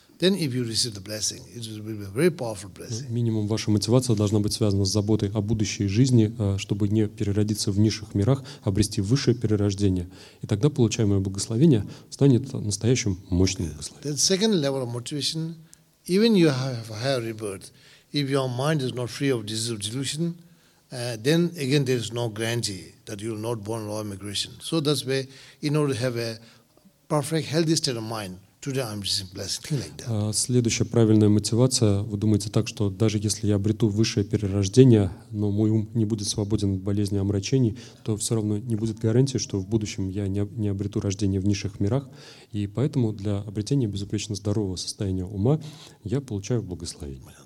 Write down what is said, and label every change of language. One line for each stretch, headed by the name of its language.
English: Then if you receive the blessing, it will be a very powerful blessing.
Russian: Минимум ваша мотивация должна быть связана с заботой о будущей жизни, чтобы не переродиться в низших мирах, обрести высшее перерождение. И тогда получаемое благословение станет настоящим мощным благословением.
English: The second level of motivation, even you have a higher rebirth, if your mind is not free of disease of delusion, then again there is no guarantee that you will not born lower migration. So that's why in order to have a perfect healthy state of mind, today I'm just blessed, like that.
Russian: Следующая правильная мотивация. Вы думаете так, что даже если я обрету высшее перерождение, но мой ум не будет свободен от болезни и омрачений, то все равно не будет гарантии, что в будущем я не обрету рождение в низших мирах. И поэтому для обретения безупречно здорового состояния ума я получаю благословение.